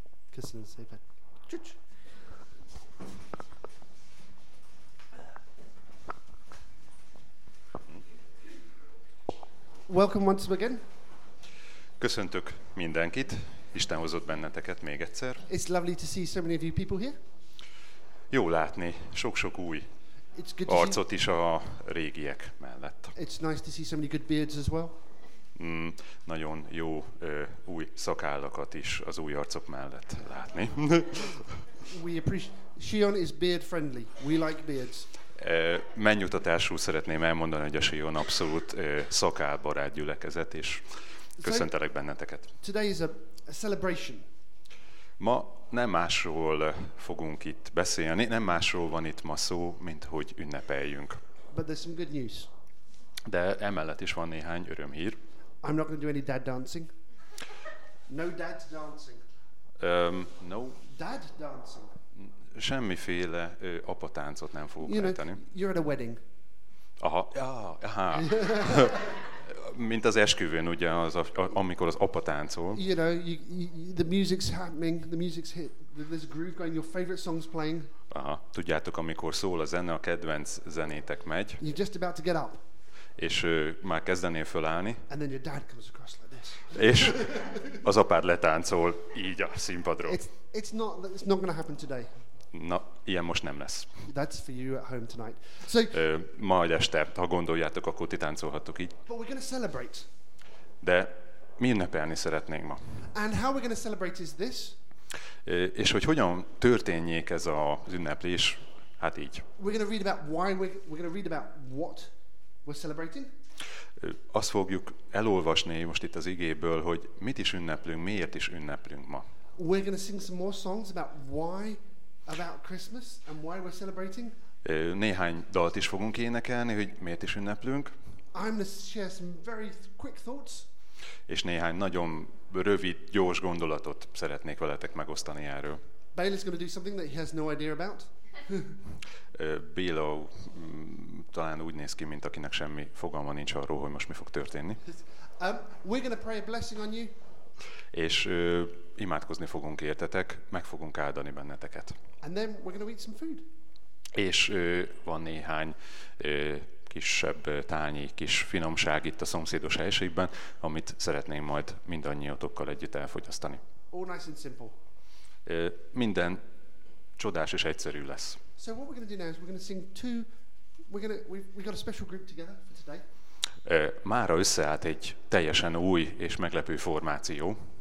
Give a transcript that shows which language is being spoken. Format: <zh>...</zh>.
<hu>Köszönöm szépen. Csücs!</hu> <en>Welcome once again.</en> <hu>Köszöntök mindenkit. Isten hozott benneteket még egyszer.</hu> <en>It's lovely to see so many of you people here.</en> <hu>Jó látni sok-sok új arcot is a régiek mellett.</hu> <en>It's nice to see so many good beards as well.</en> <hu>Nagyon jó új szakállakat is az új arcok mellett látni.</hu> <en>We appreciate. Sion is beard friendly. We like beards.</en> <hu>Mennyutatásul szeretném elmondani, hogy a Sion abszolút szakálbarát gyülekezet, és köszöntelek benneteket.</hu> <en>Today is a celebration.</en> <hu>Ma nem másról fogunk itt beszélni, nem másról van itt ma szó, mint hogy ünnepeljünk.</hu> <en>But there's some good news.</en> <hu>De emellett is van néhány örömhír.</hu> <en>I'm not going to do any dad dancing. No dad dancing. No. Dad dancing.</en> <hu>Semmiféle apa táncot nem fogok rejteni.</hu> <en>You're at a wedding. Aha. Aha.</en> <hu>Mint az esküvőn, ugye, az amikor az apa táncol.</hu> <en>You know, the music's happening, the music's hit, there's a groove going, your favorite song's playing.</en> <hu>Aha, tudjátok, amikor szól a zene, a kedvenc zenétek megy.</hu> <en>You're just about to get up.</en> <hu>És már kezdenél fölállni.</hu> <en>And then your dad comes across like this.</en> <hu>És az apád letáncol így a színpadról.</hu> <en>It's not going to happen today.</en> <hu>Na, ilyen most nem lesz.</hu> <en>That's for you at home tonight.</en> <hu>So, majd este, ha gondoljátok, akkor ti táncolhattok így.</hu> <en>But we're going to celebrate.</en> <hu>De mi ünnepelni szeretnénk ma.</hu> <en>And how we're going to celebrate is this?</en> <hu>És hogy hogyan történjék ez az ünneplés, hát így.</hu> <en>We're going to read about why we're going to read about what we're celebrating.</en> <hu>Azt fogjuk elolvasni most itt az igéből, hogy mit is ünneplünk, miért is ünneplünk ma.</hu> <en>We're going to sing some more songs about why. About Christmas and why we're celebrating.</en> <hu>Néhány dalt is fogunk énekelni, hogy miért is ünneplünk.</hu> <en>I'm going to share some very quick thoughts.</en> <hu>És néhány nagyon rövid, gyors gondolatot szeretnék veletek megosztani erről.</hu> <en>Bailey's going to do something that he has no idea about.</en> <hu>Bailey talán úgy néz ki, mint akinek semmi fogalma nincs arról, hogy most mi fog történni.</hu> <en>We're going to pray a blessing on you.</en> <hu>És imádkozni fogunk értetek, meg fogunk áldani benneteket.</hu> <en>And then we're going to eat some food.</en> <hu>És van néhány kisebb tányi, kis finomság itt a szomszédos helyiségben, amit szeretném majd mindannyiótokkal együtt elfogyasztani.</hu> <en>All nice and simple.</en> <hu>Minden csodás és egyszerű lesz.</hu> <en>So what we're going to do now is we're going to sing two, we've got a special group together for today.</en> <hu>Mára összeállt egy teljesen új és meglepő formáció.</hu>